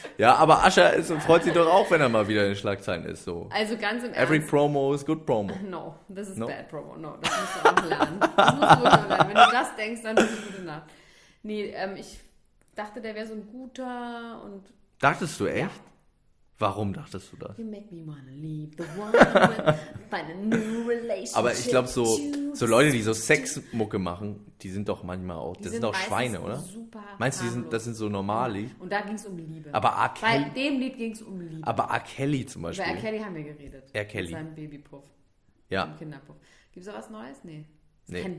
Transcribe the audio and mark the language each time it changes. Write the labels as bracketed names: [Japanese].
[German] Ja, aber Usher freut sich doch auch, wenn er mal wieder in Schlagzeilen ist. So. Also ganz im Ernst. [English] Every promo is good promo. No, this is bad promo. [German] No, das musst du auch lernen. Das musst du lernen. Wenn du das denkst, dann ist es gute Nacht. Nee, ich dachte, der wäre so ein guter und... Dachtest du echt? Ja. Warum dachtest du das? [English] You make me wanna leave the world, find a new relationship. [German] Aber ich glaube, so Leute, die so Sexmucke machen, die sind doch manchmal auch, das sind auch Schweine, oder? Super. Meinst du, das sind so normale? Und da ging es um Liebe. Aber R. Kelly. Bei dem Lied ging es um Liebe. Aber R. Kelly zum Beispiel. Über R. Kelly haben wir geredet. R. Kelly. Mit seinem Babypuff. Ja. Mit Kinderpuff. Gibt es da was Neues? Nee. Nee.